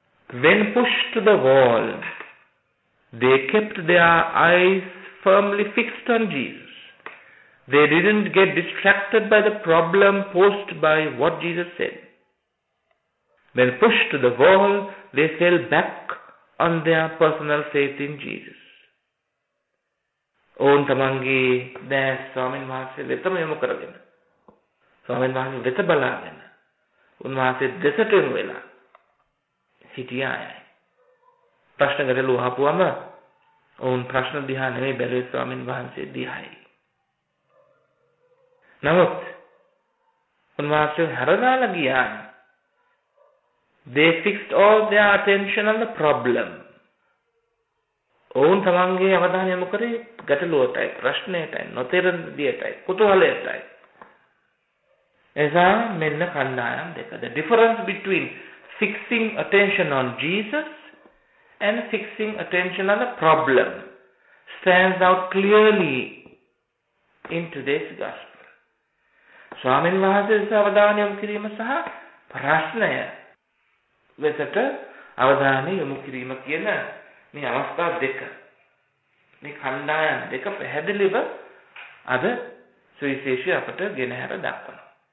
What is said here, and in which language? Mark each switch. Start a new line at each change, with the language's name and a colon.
English: When pushed to the wall, they kept their eyes firmly fixed on Jesus. They didn't get distracted by the problem posed by what Jesus said. When pushed to the wall, they fell back on their personal faith in Jesus.
Sinhala: ඔවුන් තමන්ගේ දැස් ස්වාමීන් වහන්සේ වෙතම යොමු කරගෙන, ස්වාමීන් වහන්සේ වෙත බලාගෙන, උන්වහන්සේ දෙසට යොමු වෙලා සිටියාය. ප්‍රශ්න ගැටළු අහපුවම ඔවුන් ප්‍රශ්න දිහා නෙමෙයි බැලුවේ ස්වාමීන් වහන්සේ දිහායි. නමුත් උන්වහන්සේ හැරදාලා ගියා.
English: They fixed all their attention on the problem.
Sinhala: ඔවුන් තමන්ගේ අවධානය යොමු කරේ ගැටලුවටයි, ප්‍රශ්නයටයි, නොතේරෙන දෙයටයි, කුතුහලයටයි. එසා මෙන්න කණ්ඩායම් දෙක.
English: The difference between fixing attention on Jesus and fixing attention on the problem stands out clearly in today's gospel.
Sinhala: ස්වාමීන් වහන්සේ අවධානය යොමු කිරීම සහ ප්‍රශ්නය වෙතට අවධානය යොමු කිරීම කියන මේ අවස්ථා දෙක, මේ කණ්ඩායම් දෙක පැහැදිලිව අද සුවිශේෂී අපට ගෙනහැර දක්වනවා.